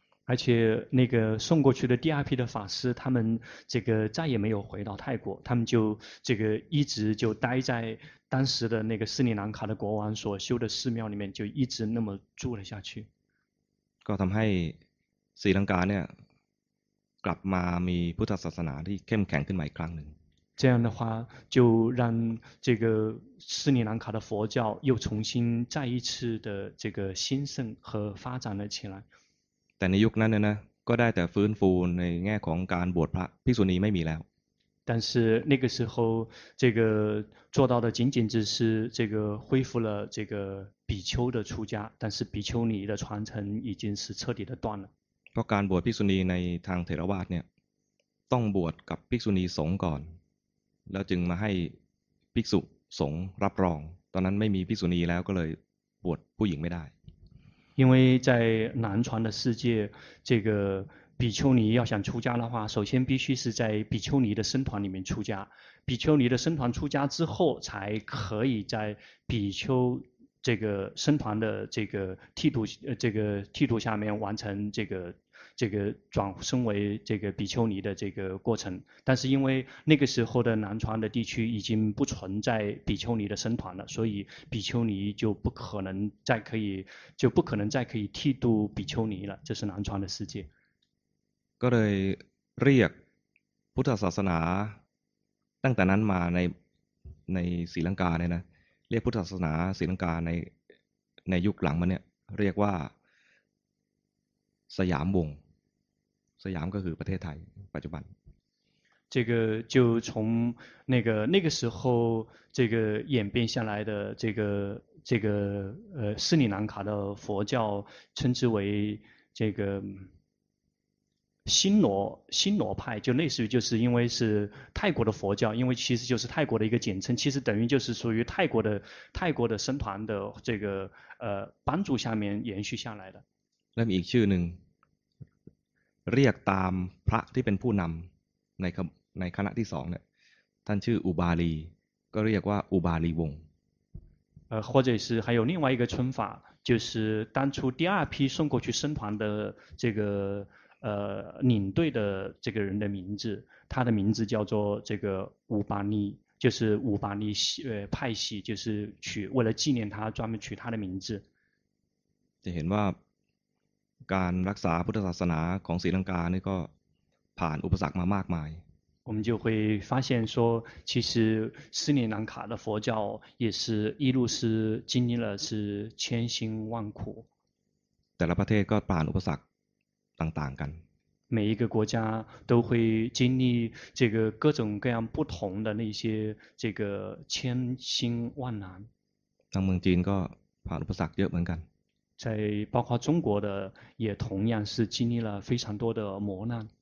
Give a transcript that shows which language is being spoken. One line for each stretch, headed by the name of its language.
Chinese: 而且那个送过去的第二批的法师他们这个再也没有回到泰国他们就这个一直就待在当时的那个斯里兰卡的国王所修的寺庙里面就一直那么住了下去
Thai: ก็ทำให้ศรีลังกาเนี่ยกลับมามีพุทธศาสนาที่เข้มแข็งขึ้นมาอีกครั้งหนึ่ง
Chinese: 这样的话就让这个斯里兰卡的佛教又重新再一次的这个兴盛和发展了起来
Thai: แต่ในยุคนั้นนะก็ได้แต่ฟื้นฟูในแง่ของการบวชพระภิกษุณีไม่มีแล้ว
Chinese: 但是那个时候这个做到的仅仅只是这个恢复了这个比丘的出家，但是比丘尼的传承已经是彻底的断了。
Thai: เพราะการบวชภิกษุณีในทางเถรวาทเนี่ยต้องบวชกับภิกษุณีสงฆ์ก่อนแล้วจึงมาให้ภิกษุสงฆ์รับรองตอนนั้นไม่มีภิกษุณีแล้วก็เลยบวชผู้หญิงไม่ได้
Chinese: 因为在南传的世界这个比丘尼要想出家的话，首先必须是在比丘尼的僧团里面出家。比丘尼的僧团出家之后，才可以在比丘这个僧团的这个剃度这个剃度下面完成这个转身为这个比丘尼的这个过程。但是因为那个时候的南传的地区已经不存在比丘尼的僧团了，所以比丘尼就不可能再可以剃度比丘尼了。这是南传的世界。
Thai: ก็เลยเรียกพุทธศาสนาตั้งแต่นั้นมาในศรีลังกาเนี่ยนะเรียกพุทธศาสนาศรีลังกาในยุคหลังมาเนี่ยเรียกว่าสยามวงสยามก็คือประเทศไทยปัจจุบัน
Chinese: 这个就从那个时候这个演变下来的这个斯里兰卡的佛教称之为这个新罗派，就类似于，就是因为是泰国的佛教，因为其实就是泰国的一个简称，其实等于就是属于泰国的僧团的这个帮助下面延续下来的。
Thai: 那么อีกชื่อหนึ่งเรียกตามพระที่เป็นผู้นำในคณะที่สองเนี่ยท่านชื่ออุบาลีก็เรียกว่าอุบาลีวง
Chinese: 或者是还有另外一个称法，就是当初第二批送过去僧团的这个。领队的这个人的名字，他的名字叫做这个五巴尼，就是五巴尼派系，就是取为了纪念他专门取他的名字。
Thai: จะเห็นว่าการรักษาพุทธศาสนาของศรีลังกานี่ก็ผ่านอุปสรรคมามากมาย。
Chinese: 我们就会发现说，其实斯里兰卡的佛教也是一路是经历了是千辛万苦。
Thai: แต่ละประเทศก็ผ่านอุปสรรคต่างๆกัน
Chinese: 每一个国家都会经历这个各种各样不同的那些这个千辛万难
Thai: ทางเมืองจีนก็ผ่านอุปสรรคเยอะเหมือนกัน
Chinese: 在包括中国的也同样是经历了非常多的磨难